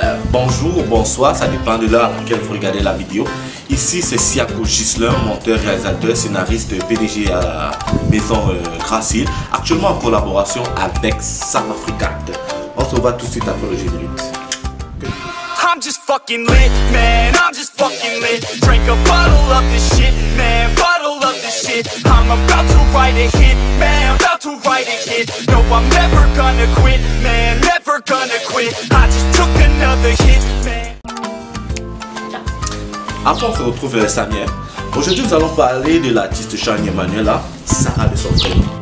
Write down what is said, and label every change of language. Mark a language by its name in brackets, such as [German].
[French] Bonjour, bonsoir, ça dépend de l'heure à laquelle vous regardez la vidéo. Ici, c'est Siako Gislain, monteur, réalisateur, scénariste, PDG à la maison Gracile, actuellement en collaboration avec Sam Africa. On se voit tout de suite après le générique. [English] I'm just fucking lit, man. I'm just fucking lit. Drink a bottle of this shit, man. Bottle of this shit. I'm about to write a hit, man. About to write a hit. No, I'm never gonna quit, man. Never gonna quit. I just took another hit, man. [French] Après, on se retrouve avec Samir. Aujourd'hui, nous allons parler de l'artiste Shawn Emmanuel, Sarah de son frère.